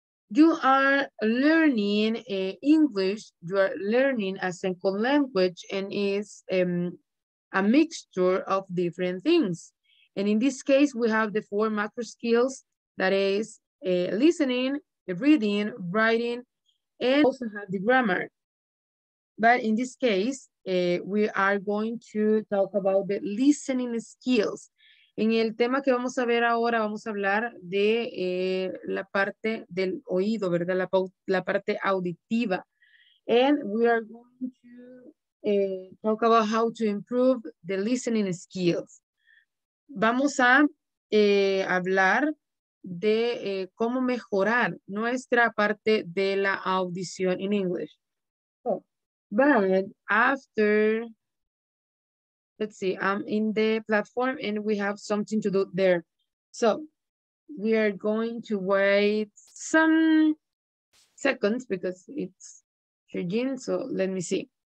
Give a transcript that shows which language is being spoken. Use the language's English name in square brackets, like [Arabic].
[English] You are learning English, you are learning a second language, and it's a mixture of different things. And in this case, we have the four macro skills, that is listening, reading, writing, and also have the grammar. But in this case, we are going to talk about the listening skills. [Spanish] En el tema que vamos a ver ahora, vamos a hablar de la parte del oído, ¿verdad? La parte auditiva. [English] And we are going to talk about how to improve the listening skills. [Spanish] Vamos a hablar de cómo mejorar nuestra parte de la audición en inglés. [English] But after, let's see, I'm in the platform and we have something to do there. So we are going to wait some seconds because it's changing. So let me see.